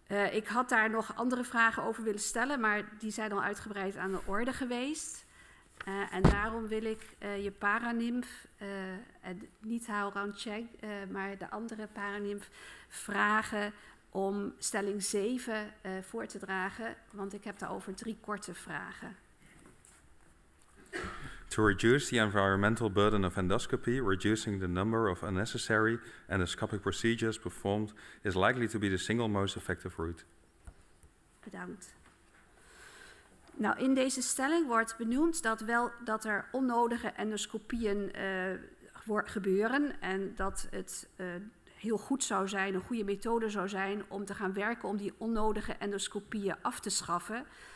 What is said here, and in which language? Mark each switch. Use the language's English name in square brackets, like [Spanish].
[Dutch] Ik had daar nog andere vragen over willen stellen, maar die zijn al uitgebreid aan de orde geweest. En daarom wil ik je paranimf, en niet Hao Rancheng, maar de andere paranimf, vragen om stelling 7 voor te dragen, want ik heb daarover 3 korte vragen. [English] To reduce the environmental burden of endoscopy, reducing the number of unnecessary endoscopic procedures performed is likely to be the single most effective route. [Dutch] Bedankt. Nou, in deze stelling wordt benoemd dat wel dat er onnodige endoscopieën gebeuren en dat het heel goed zou zijn, een goede methode zou zijn om te gaan werken om die onnodige endoscopieën af te schaffen.